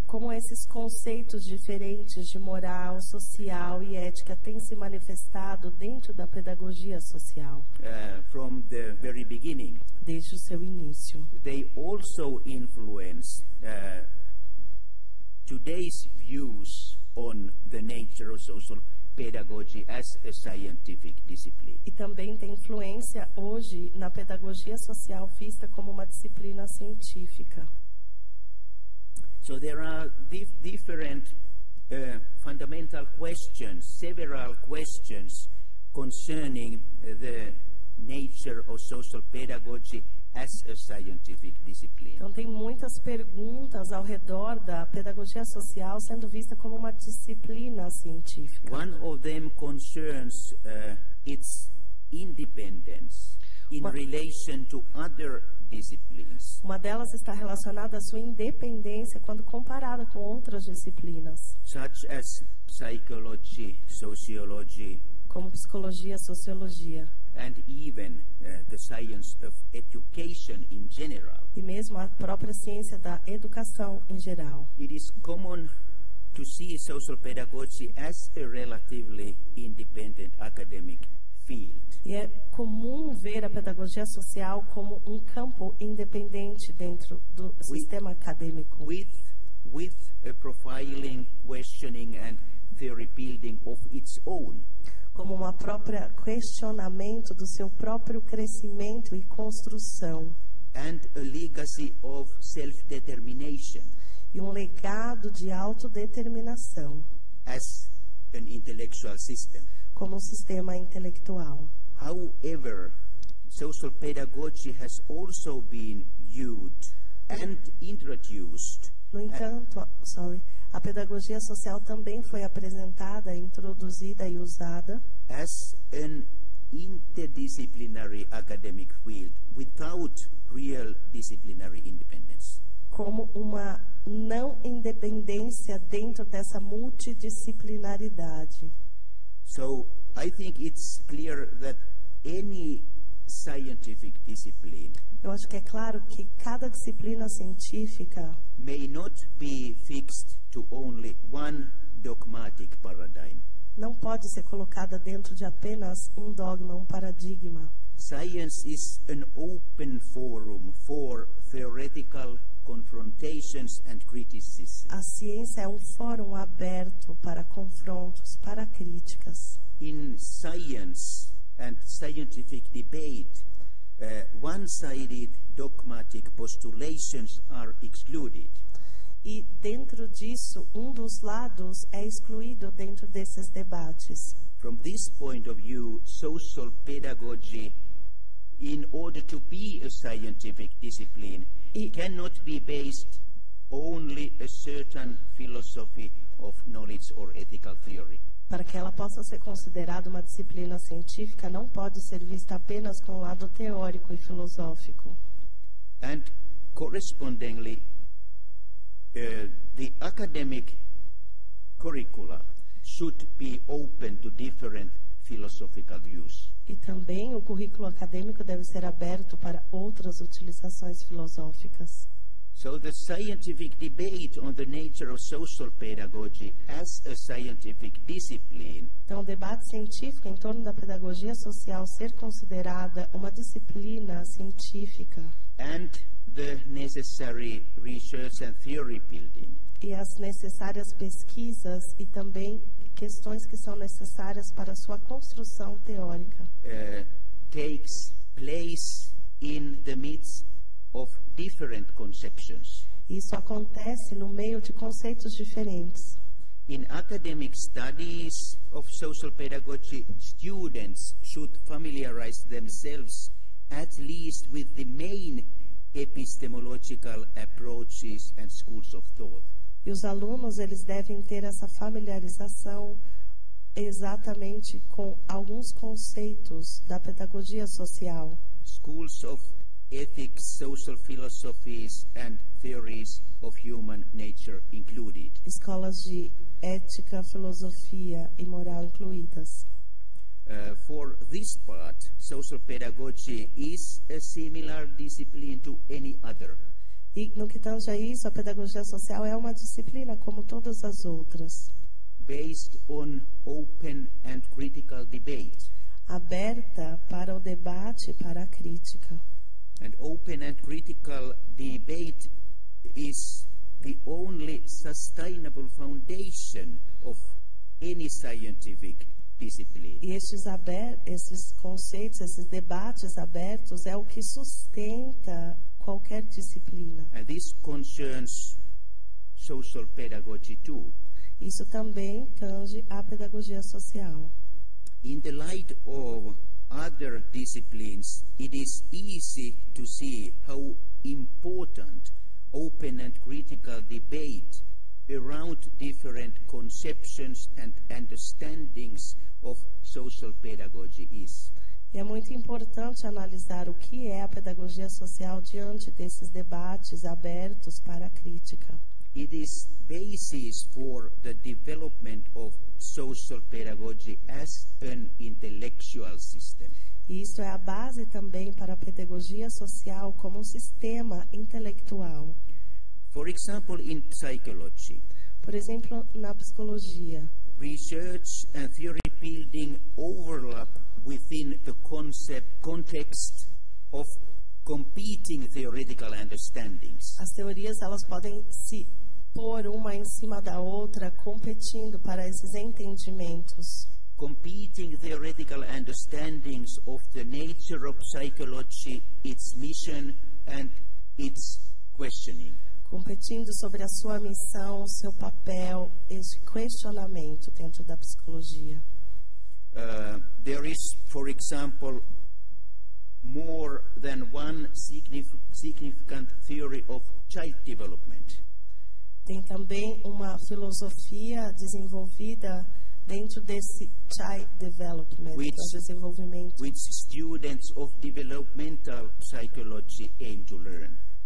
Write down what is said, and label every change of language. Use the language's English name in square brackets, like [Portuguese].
[Portuguese] Como esses conceitos diferentes de moral, social e ética têm se manifestado dentro da pedagogia social? [English] From the very beginning. [Portuguese] Desde o seu início. [English] They also influence today's views on the nature of social pedagogy as a scientific discipline. [Portuguese] E também tem influência hoje na pedagogia social vista como uma disciplina científica. [English] So there are different fundamental questions, several questions concerning the nature of social pedagogy as a scientific discipline. [Portuguese] Então tem muitas perguntas ao redor da pedagogia social sendo vista como uma disciplina científica. [English] One of them concerns its independence in relation to other disciplines. [Portuguese] Uma delas está relacionada à sua independência quando comparada com outras disciplinas. [English] Such as psychology, sociology. [Portuguese] Como psicologia, sociologia. [English] And even the science of education in general. [Portuguese] E mesmo a própria ciência da educação em geral. [English] It is common to see social pedagogy as a relatively independent academic field. [Portuguese] E é comum ver a pedagogia social como um campo independente dentro do sistema acadêmico. [English] With a profiling, questioning and theory building of its own. [Portuguese] Como uma própria questionamento do seu próprio crescimento e construção. [English] And a legacy of self-determination. [Portuguese] E um legado de autodeterminação. [English] As an intellectual system. [Portuguese] Como um sistema intelectual. [English] However, social pedagogy has also been used and introduced. [Portuguese] No entanto, a pedagogia social também foi apresentada, introduzida e usada [English] as an interdisciplinary academic field without real disciplinary independence. [Portuguese] Como uma não independência dentro dessa multidisciplinaridade. [English] So, I think it's clear that any scientific discipline. [Portuguese] Eu acho que é claro que cada disciplina científica [English] may not be fixed to only one dogmatic paradigm. [Portuguese] Não pode ser colocada dentro de apenas um dogma, um paradigma. [English] Science is an open forum for theoretical confrontations and criticism. [Portuguese] A ciência é um fórum aberto para confrontos, para críticas. [English] In science and scientific debate, one-sided dogmatic postulations are excluded. [Portuguese] E dentro disso, um dos lados é excluído dentro desses debates. [English] From this point of view, social pedagogy, in order to be a scientific discipline, it cannot be based only a certain philosophy of knowledge or ethical theory. [Portuguese] Para que ela possa ser considerada uma disciplina científica, não pode ser vista apenas com o lado teórico e filosófico. [English] And correspondingly, the academic curricula should be open to different philosophical views. [Portuguese] E também o currículo acadêmico deve ser aberto para outras utilizações filosóficas. [English] So the scientific debate on the nature of social pedagogy as a scientific discipline. [Portuguese] Então, o debate científico em torno da pedagogia social ser considerada uma disciplina científica. [English] And the necessary research and theory building. [Portuguese] E as necessárias pesquisas e também questões que são necessárias para sua construção teórica. [English] Takes place in the midst of different conceptions. [Portuguese] Isso acontece no meio de conceitos diferentes. [English] In academic studies of social pedagogy, students should familiarize themselves at least with the main epistemological approaches and schools of thought. [Portuguese] E os alunos, eles devem ter essa familiarização exatamente com alguns conceitos da pedagogia social. [English] Schools of ethics, social philosophies and theories of human nature included. [Portuguese] Escolas de ética, filosofia e moral incluídas. [English] For this part, social pedagogy is a similar discipline to any other. [Portuguese] E no que tange a isso, a pedagogia social é uma disciplina como todas as outras. [English] Based on open and critical debate. [Portuguese] Aberta para o debate e para a crítica. [English] And open and critical debate is the only sustainable foundation of any scientific discipline. [Portuguese] E esses conceitos, esses debates abertos, é o que sustenta qualquer disciplina. [English] And this concerns social pedagogy too. [Portuguese] Isso também tange a pedagogia social. [English] In the light of other disciplines, it is easy to see how important open and critical debate around different conceptions and understandings of social pedagogy is. [Portuguese] E é muito importante analisar o que é a pedagogia social diante desses debates abertos para a crítica. [English] It is basis for the development of social pedagogy as an intellectual system. [Portuguese] Isso é a base também para a pedagogia social como um sistema intelectual. [English] For example, in psychology. [Portuguese] Por exemplo, na psicologia. [English] Research and theory building overlap within the concept context of competing theoretical understandings. [Portuguese] As teorias, elas podem se pôr uma em cima da outra, competindo para esses entendimentos. [English] Competing theoretical understandings of the nature of psychology, its mission and its questioning. [Portuguese] Competindo sobre a sua missão, seu papel, esse questionamento dentro da psicologia. [English] There is, for example, more than one significant theory of child development. [Portuguese] Tem também uma filosofia desenvolvida dentro desse [English] child development, which, [Portuguese] do desenvolvimento, [English] which students of developmental psychology aim to learn.